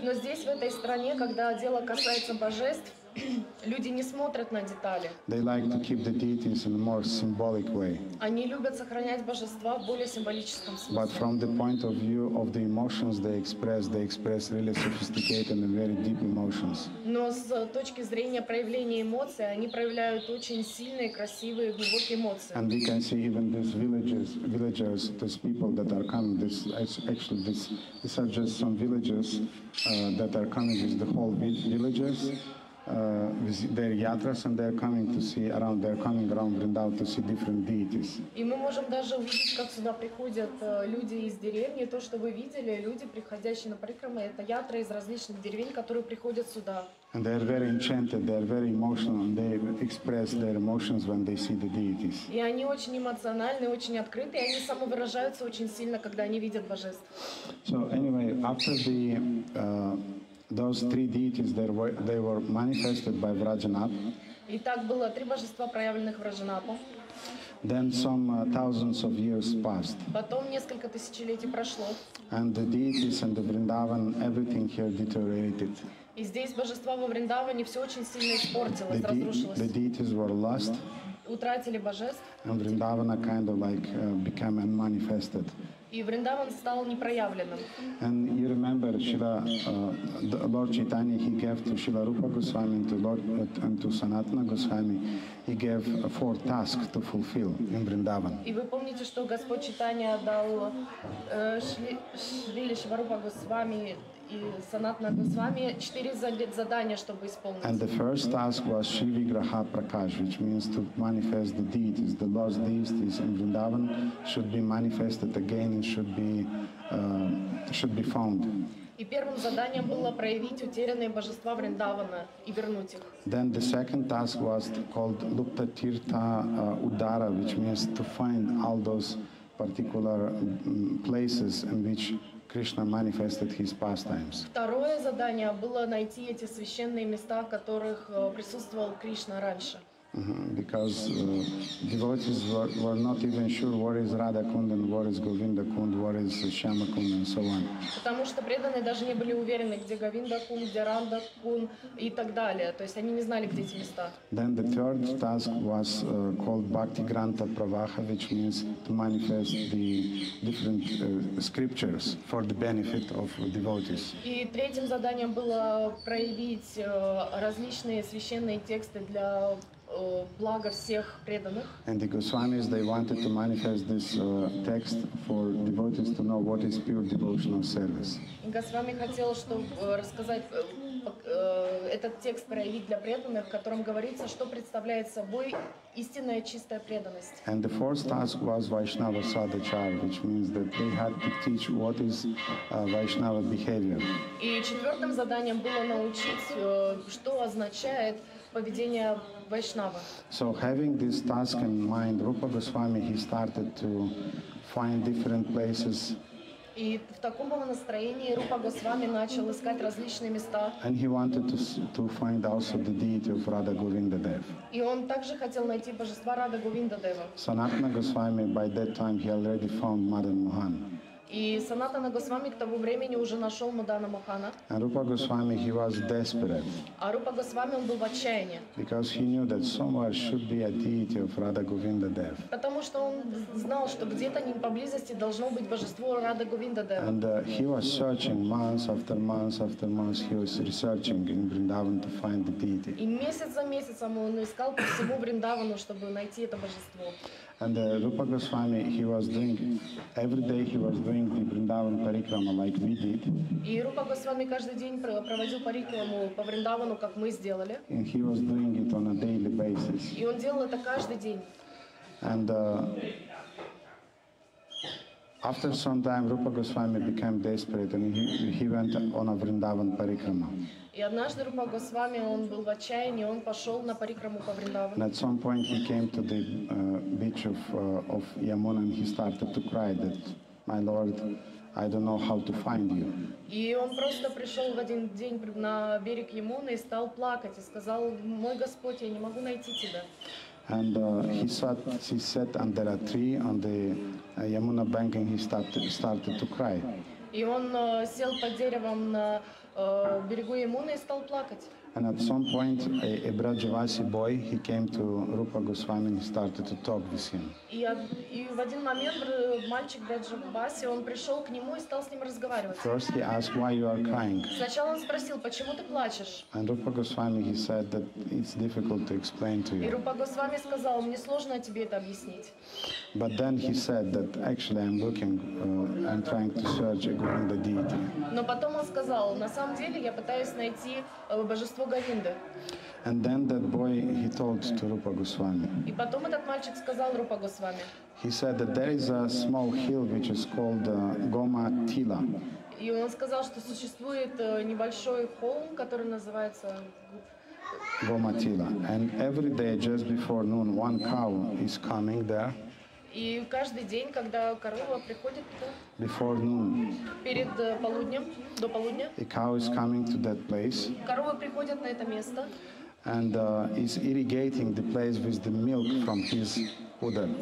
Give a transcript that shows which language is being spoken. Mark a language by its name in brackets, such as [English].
[Russian] Но здесь, в этой стране, когда дело касается божеств, люди не смотрят на детали. [English] They like to keep the deities in a more symbolic way. [Russian] Они любят сохранять божества в более символическом смысле. [English] But from the point of view of the emotions they express really sophisticated and very deep emotions. [Russian] Но с точки зрения проявления эмоций, они проявляют очень сильные, красивые, глубокие эмоции. [English] And we can see even these villagers, these people that are coming, these are just some villagers that are coming, with the whole villagers. With their yatras, and they're coming around Vrindavan to see different deities. [Russian] И мы можем даже увидеть, как сюда приходят люди из деревни. То, что вы видели, люди, приходящие на парикрамы, это ятра из различных деревень, которые приходят сюда. [English] And they are very enchanted, they are very emotional, and they express their emotions when they see the deities. [Russian] И они очень эмоциональны, очень открыты, и они самовыражаются очень сильно, когда они видят божеств. [English] So anyway, after the those three deities, they were manifested by Vrajanath. [Russian] И так было три божества, проявленных Враджанатом. [English] Then some thousands of years passed. [Russian] Потом несколько тысячелетий прошло. [English] And the deities and the Vrindavan, everything here deteriorated. [Russian] И здесь божества во Вриндаване все очень сильно испортилось, разрушилось. [English] The deities were lost. [Russian] Утратили божеств. [English] And Vrindavana kind of like became unmanifested. [Russian] И Вриндаван стал непроявленным. [English] And you remember Shiva, Lord Chaitanya, he gave to Shiva Rupa Goswami and to Sanatana Goswami, he gave four tasks to fulfill in Vrindavan. [Russian] И вы помните, что Господь Чайтанья дал Шиве Шива Рупа Госвами и Санатана Госвами четыре задания, чтобы исполнить. [English] And the first task was Shri Vigraha Prakash, which means to manifest the deities, the lost deities in Vrindavan should be manifested again and should be found. [Russian] И первым заданием было проявить утерянные божества Вриндавана и вернуть их. [English] Then the second task was called Lupta Tirtha Udara, which means to find all those particular places in which Krishna manifested his pastimes. [Russian] Второе задание было найти эти священные места, в которых присутствовал Кришна раньше. [English] Because devotees were not even sure what is Radha Kund and what is Govinda Kund, what is Shyama Kund and so on. [Russian] Потому что преданные даже не были уверены, где Говинда Кунд, где Радха Кунд и так далее. То есть они не знали, где эти места. [English] Then the third task was called Bhakti Granta Pravaha, which means to manifest the different scriptures for the benefit of devotees. [Russian] И третьим заданием было проявить различные священные тексты для благо всех преданных. [English] And the Goswamis, they wanted to manifest this text for devotees to know what is pure devotional service. [Russian] Госвами хотел, чтобы рассказать этот текст проявить для преданных, в котором говорится, что представляет собой истинная чистая преданность. [English] And the fourth task was Vaishnava Sadachar, which means that they had to teach what is Vaishnava behavior. [Russian] И четвертым заданием было научить, что означает поведение Вайшнава. [English] So having this task in mind, Rupa Goswami, he started to find different places. [Russian] И в таком настроении Рупа Госвами начал искать различные места. [English] And he wanted to find also the deity of Radha Govinda Dev. [Russian] И он также хотел найти божества Радха Говинда Дева. [English] Sanatana Goswami, by that time, he already found Madan Mohan. [Russian] И Санатана Госвами к тому времени уже нашел Мадана Мохана. [English] And Rupa Goswami, he was desperate. [Russian] А Рупа Госвами, он был в отчаянии. [English] Because he knew that somewhere should be a deity of Radha Govinda Dev. [Russian] Потому что он знал, что где-то не поблизости должно быть божество Радха Говинда Дева. [English] And he was searching months after months after months, he was researching in Vrindavan to find the deity. [Russian] И месяц за месяцем он искал по всему Вриндавану, чтобы найти это божество. [English] And Rupa Goswami, he was doing every day. He was doing the Vrindavan Parikrama like we did. [Russian] И Рупа Госвами каждый день проводил парикраму по Вриндавану, как мы сделали. [English] And he was doing it on a daily basis. [Russian] И он делал это каждый день. [English] And after some time, Rupa Goswami became desperate, and he went on a Vrindavan Parikrama. [Russian] И однажды Рупа Госвами, он был в отчаянии, он пошел на парикраму по Вриндавану. [English] At some point he came to the beach of Yamuna and he started to cry that, my lord, I don't know how to find you. [Russian] И он просто пришел в один день на берег Ямуны и стал плакать и сказал, мой Господь, я не могу найти тебя. [English] And he sat under a tree on the Yamuna bank and he started to cry. [Russian] И он сел под деревом на берегу Ямуны и стал плакать. [English] And at some point, a Brajavasi boy, he came to Rupa Goswami and he started to talk with him. [Russian] И в один момент мальчик Брадживаси, он пришел к нему и стал с ним разговаривать. [English] First he asked why you are crying. [Russian] Сначала он спросил, почему ты плачешь? [English] And Rupa Goswami, he said that it's difficult to explain to you. [Russian] И Рупа Госвами сказал, мне сложно тебе это объяснить. [English] But then he said that actually I'm trying to search a Govinda deity. [Russian] Но потом он сказал, на самом деле я пытаюсь найти божество. [English] And then that boy, he told to Rupa Goswami. [Russian] И потом этот мальчик сказал Рупа Госвами. [English] He said that there is a small hill which is called Goma Tila. [Russian] И он сказал, что существует небольшой холм, который называется Goma Tila. [English] And every day, just before noon, one cow is coming there. [Russian] И каждый день, когда корова приходит туда, [English] before noon, [Russian] перед полуднем, до полудня, [English] a cow is coming to that place, [Russian] корова приходит на это место, [English] and is irrigating the place with the milk from his udder.